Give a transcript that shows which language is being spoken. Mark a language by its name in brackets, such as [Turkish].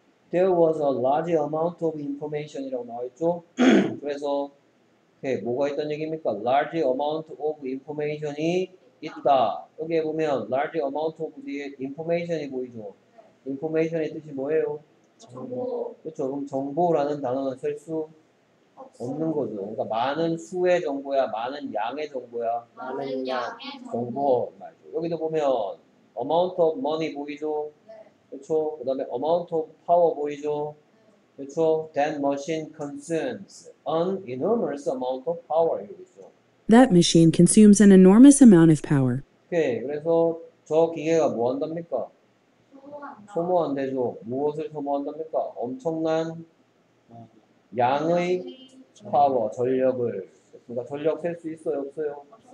[English] There was a large amount of information [Korean] 이라고 나와있죠? 그래서 네, 뭐가 있다는 얘기입니까? [English] Large amount of information이 있다. [Korean] 여기에 보면 [English] large amount of information [Korean] 이 보이죠? information의 뜻이 뭐예요? 정보. 그렇죠. 그럼 정보라는 단어는 셀 수 없는 거죠. 그러니까 많은 수의 정보야, 많은 양의 정보야. 많은 양의 정보. 맞죠. 여기도 보면 [English] amount of money [Korean] 보이죠? 네. 그렇죠. 그다음에 [English] amount of power [Korean] 보이죠? 그렇죠. [English] That machine consumes an enormous amount of power. [Korean] 여기죠. [English] That machine consumes an enormous amount of power. [Korean] 오케이. 그래서 저 기계가 뭐 한답니까? 소모한대죠. 무엇을 소모한답니까? 엄청난 양의 파워, 전력을. 그러니까 전력 셀 수 있어요, 없어요?